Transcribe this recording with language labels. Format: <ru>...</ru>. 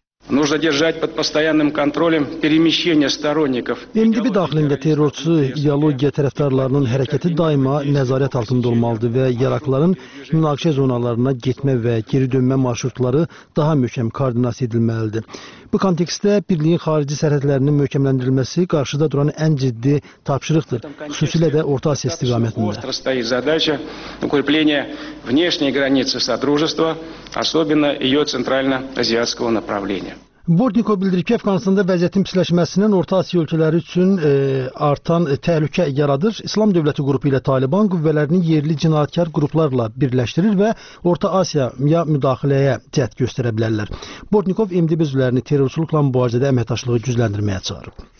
<ru>Нужно держать под постоянным контролем перемещение сторонников.</ru> <az>İndibi daxilində terrorçu ideologiya tərəfdarlarının hərəkəti daima nəzarət altında olmalıdır və yaraqların münaqişə zonalarına getmə və geri dönmə marşrutları daha möhkəm koordinasiya edilməlidir. Bu kontekstdə birliyin xarici sərhədlərinin möhkəmləndirilməsi qarşıda duran ən ciddi tapşırıqdır, xüsusilə də Orta Asiya istiqamətində.</az> <ru>Задача укрепления внешней границы содружества, особенно её центрально-азиатского направления.</ru> <az>Bortnikov bildirir ki, Afqanistanda vəziyyətin pisləşməsinin Orta Asiya ölkələri üçün artan təhlükə yaradır. İslam dövləti qrupu ilə Taliban qüvvələrini yerli cinayətkar qruplarla birləşdirir və Orta Asiyaya müdaxiləyə cəhd göstərə bilərlər. Bortnikov MDB üzvlərini terrorçuluqla mübarizədə əməkdaşlığı gücləndirməyə çağırıb.</az>